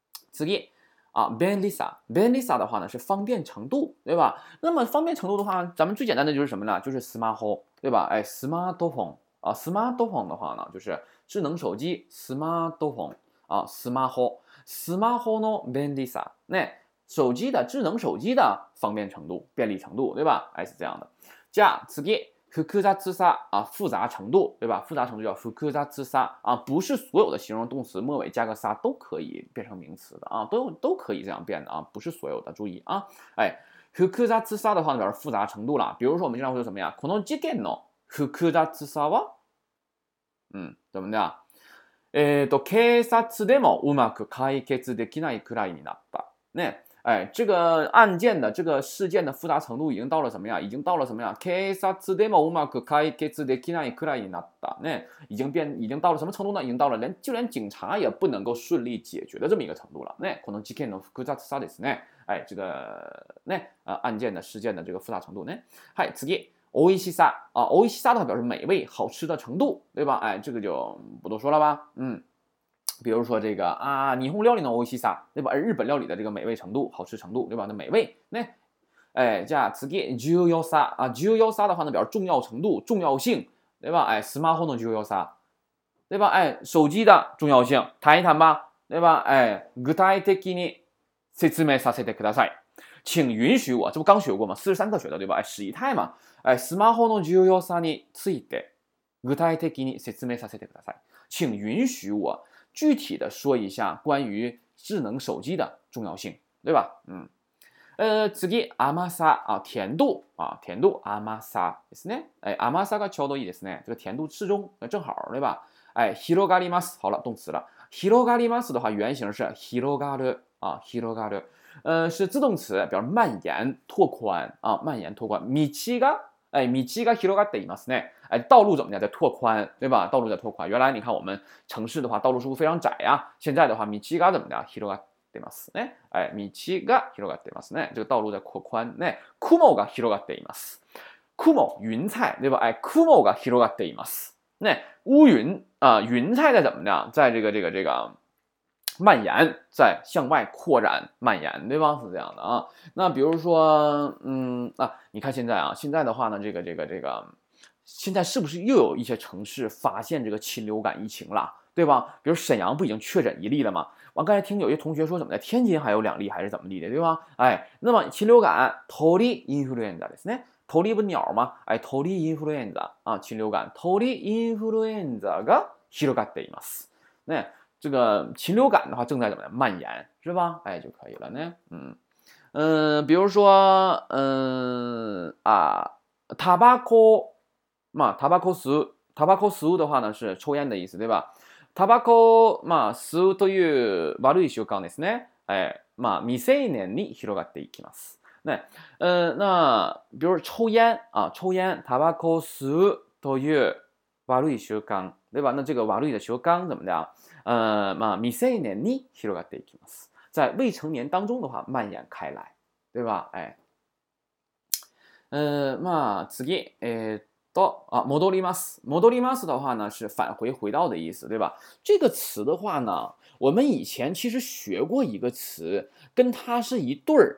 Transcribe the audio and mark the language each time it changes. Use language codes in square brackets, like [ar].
[zh] 次啊，Benlisa 的话呢是方便程度，对吧？那么方便程度的话，咱们最简单的就是什么呢？就是スマホ，对吧？哎，smartphone。啊，smartphone 的话呢，就是智能手机，smartphone 啊，smartphone， [ja] smartphone の便利さ， [zh] 那手机的智能手机的方便程度、便利程度，对吧？哎，是这样的。じゃあ次、複雑さ啊，复杂程度，对吧？复杂程度叫複雜さ啊，不是所有的形容动词末尾加个さ都可以变成名词的啊，都可以这样变的啊，不是所有的，注意啊。哎，複雜さ的话呢，表示复杂程度了。比如说，我们经常会说什么呀？ [ja] この事件の複雑さは？怎么的？警察でもうまく解決できないくらいになった。 [zh] ね、哎，这个案件的这个事件的复杂程度已经到了什么呀？已经到了什么呀？ [ja] 警察でもうまく解決できないくらいになった。 [zh] ね、已经到了什么程度呢？已经到了就连警察也不能够顺利解决的这么一个程度了。 [ja] ね、この事件の複雑さですね。 [zh] 哎，这个ね、案件的事件的这个复杂程度ね。はい、次。おいしさあ、おいしさ的话表示美味、好吃的程度，对吧？哎，这个就不多说了吧。比如说这个啊，日本料理的おいしさ，对吧？日本料理的这个美味程度、好吃程度，对吧？那美味，那，哎，じゃあ次、重要さあ、重要さ的话呢，表示重要程度、重要性，对吧？哎， [ja] スマホの重要さ， [zh] 对吧？哎，手机的重要性，谈一谈吧，对吧？ [ja] 哎，具体的に説明させてください。 [zh] 请允许我，这不刚学过吗？43课学的，对吧？哎，时仪态嘛。 [ja] 哎，スマホの重要さについて具体的に説明させてください。 [zh] 请允许我具体的说一下关于智能手机的重要性，对吧？次甘さあ、甜度啊，甜度甘さですね。 [ja] 哎，甘さがちょうどいいですね。 [zh] 这个甜度适中，正好，对吧？哎，広がります。好了，动词了。広がります的话，原型是広がる啊，広がる。是自动词，比如蔓延、拓宽啊，蔓延、拓宽。 [ja] 道が広がっていますね。 [zh] 哎，道路怎么讲？在拓宽，对吧？道路在拓宽。原来你看我们城市的话，道路是不是非常窄呀？现在的话，道が怎么讲？広がっていますね。哎， [ja] 道が広がっていますね。 [zh] 这个道路在扩宽呢。 [ja] 雲が広がっています。雲，云彩，对吧？哎，雲が広がっています。 [zh] 那乌云啊，云彩在怎么讲？在这个蔓延，在向外扩展蔓延，对吧？是这样的啊。那比如说，你看现在啊，现在的话呢，这个，现在是不是又有一些城市发现这个禽流感疫情了，对吧？比如沈阳不已经确诊一例了吗？完，刚才听有些同学说什么的，天津还有两例还是怎么地的，对吧？哎，那么禽流感，鳥インフルエンザですね。鳥不鸟吗？哎，鳥インフルエンザ啊，禽流感， [ja] 鳥インフルエンザが広がっています。 [zh] 那这个禽流感的话正在怎么样蔓延，是吧？哎，就可以了呢。比如说，タバコ吸的话呢是抽烟的意思，对吧？ [ja] タバコ吸という悪い習慣ですね。哎，未成年に広がっていきます。 [zh] 那比如抽烟啊，抽烟 [ja] タバコ吸という悪い習慣， [zh] 对吧？那这个悪い的習慣怎么样？ [ja] 未成年に広がっていきます。 [zh] 在未成年当中的话蔓延开来，对吧？ [ja] 哎，次，戻ります。 [zh] 戻ります的话呢是返回回到的意思，对吧？这个词的话呢，我们以前其实学过一个词，跟它是一对儿。